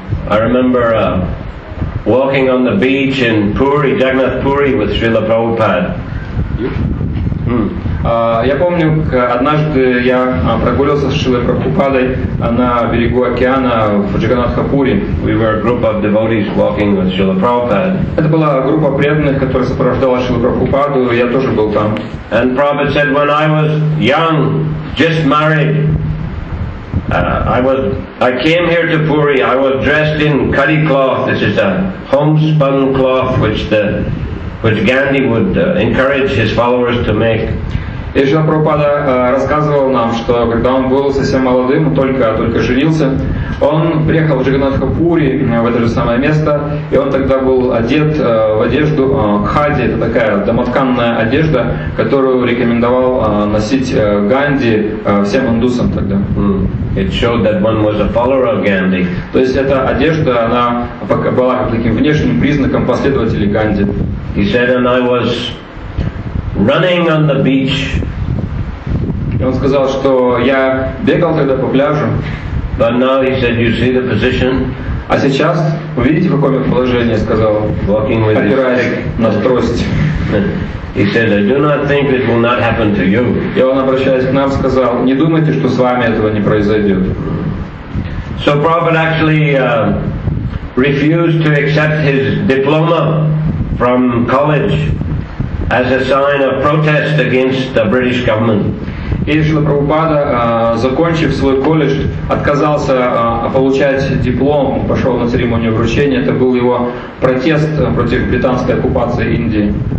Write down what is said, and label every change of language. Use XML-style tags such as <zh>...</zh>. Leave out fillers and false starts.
<en>I remember walking on the beach in Puri, Jagannath Puri, with Srila Prabhupada.</en> <ru>Я помню, однажды я прогуливался с Шрилой Прабхупадой на берегу океана в Джаганатхапури.</ru> <en>We were a group of devotees walking with Srila Prabhupada.</en> <ru>Это была группа преданных, которая сопровождала Шрилу Прабхупаду, я тоже был там.</ru> <en>And Prabhupada said, when I was young, just married, I came here to Puri, I was dressed in kadi cloth, this is a homespun cloth which Gandhi would encourage his followers to make.</en> <ru>И Шрила Прабхупада рассказывал нам, что когда он был совсем молодым, только женился, он приехал в Джаганатхапури, в это же самое место, и он тогда был одет в одежду кхади, это такая домотканная одежда, которую рекомендовал носить Ганди всем индусам тогда.</ru> <en>It showed that one was a follower of Gandhi.</en> <ru>То есть эта одежда, она была таким внешним признаком последователей Ганди.</ru> <en>He said, and I was running on the beach.</en> <ru>И он сказал, что я бегал тогда по пляжу.</ru> <en>But now he said, you see the position.</en> <ru>А сейчас вы видите, в каком я положении, сказал,</ru> <en>walking with</en> <ru>опираясь на трость.</ru> <en>He said, I do not think it will not happen to you.</en> <ru>И он, обращаясь к нам, сказал, не думайте, что с вами этого не произойдет.</ru> <en>So Prabhupada actually refused to accept his diploma from college as a sign of protest against the British government.</en> <ru>И Шрила Прабхупада, закончив свой колледж, отказался получать диплом, пошел на церемонию вручения. Это был его протест против британской оккупации Индии.</ru>